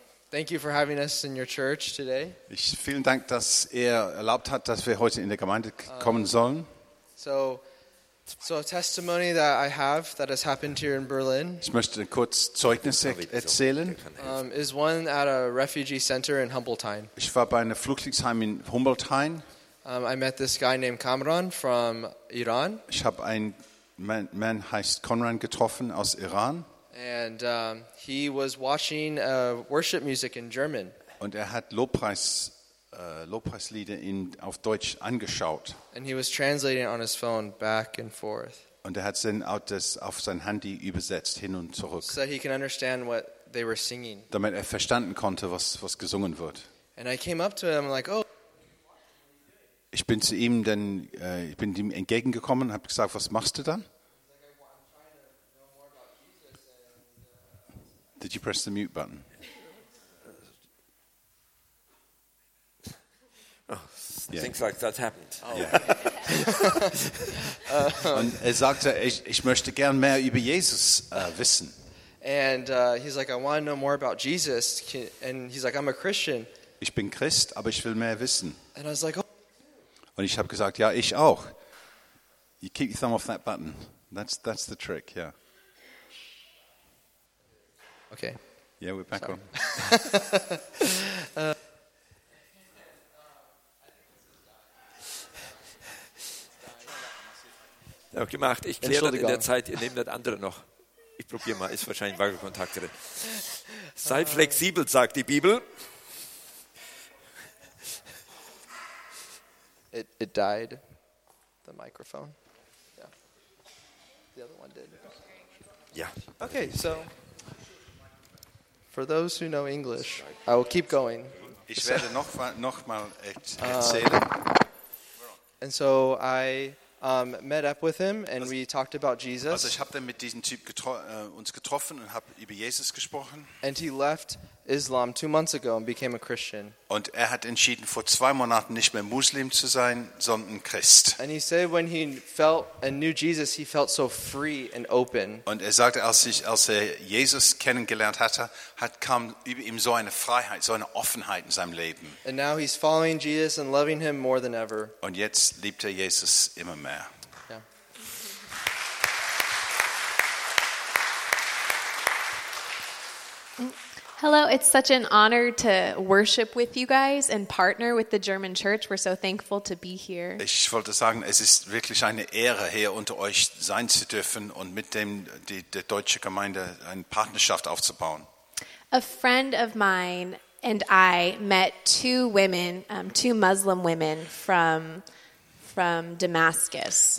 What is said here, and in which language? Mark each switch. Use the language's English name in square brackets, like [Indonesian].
[English] Thank you for having us in your church today. [German] Ich vielen Dank, dass ihr erlaubt habt, dass wir heute in der Gemeinde kommen sollen. [English] So a testimony that I have that has happened here in Berlin. [German] Ich möchte ein kurzes Zeugnis erzählen. [English] Is one at a refugee center in Humboldthain. [German] Ich war bei einem Flüchtlingsheim in Humboldthain. [English] I met this guy named Kamran from Iran. [German] Ich habe einen Mann heißt Konran getroffen aus Iran. [English] And he was watching worship music in German. [German] Und hat Lobpreislieder auf Deutsch angeschaut. [English] And he was translating on his phone back and forth. [German] Und hat dann das auf sein Handy übersetzt hin und zurück. [English] So he can understand what they were singing. [German] Damit verstanden konnte, was gesungen wird. [English] And I came up to him like, oh. [German] Ich bin zu ihm dann ich bin ihm entgegengekommen, habe gesagt, was machst du dann? [English] Did you press the mute button? Oh, yeah. Things like that happened. Oh. Yeah. [German] Und sagte, ich möchte gern mehr über Jesus wissen. [English] And he's like, I want to know more about Jesus. And he's like, I'm a Christian. [German] Ich bin Christ, aber ich will mehr wissen. [English] And I was like, oh. [German] Und ich habe gesagt, ja, ich auch. [English] You keep your thumb off that button. That's the trick, yeah. Okay. Yeah, we're back on. [German] gemacht. Ich kläre das in der Zeit. Ihr nehmt das andere noch. Ich probiere mal. Ist wahrscheinlich Wackelkontakt drin. Sei flexibel, sagt die Bibel. [English] It died. The microphone. Yeah. The other one did. Yeah. Okay, so. For those who know English, I will keep going. [German] Ich werde noch mal erzählen. [English] And so I met up with him and we talked about Jesus. [German] Also ich habe dann mit diesem Typ uns getroffen und habe über Jesus gesprochen. [English] And he left Islam 2 months ago and became a Christian. [German] Und hat entschieden, vor 2 Monaten nicht mehr Muslim zu sein, sondern Christ. [English] And he said when he felt and knew Jesus, he felt so free and open. [German] Und sagte, als er Jesus kennengelernt hatte, kam über ihm so eine Freiheit, so eine Offenheit in seinem Leben. [English] And now he's following Jesus and loving him more than ever. [German] Und jetzt liebt Jesus immer mehr. [English] Hello, it's such an honor to worship with you guys and partner with the German Church. We're so thankful to be here. [German] Ich wollte sagen, es ist wirklich eine Ehre, hier unter euch sein zu dürfen und mit dem der deutsche Gemeinde eine Partnerschaft aufzubauen. [English] A friend of mine and I met two women, two Muslim women from Damascus.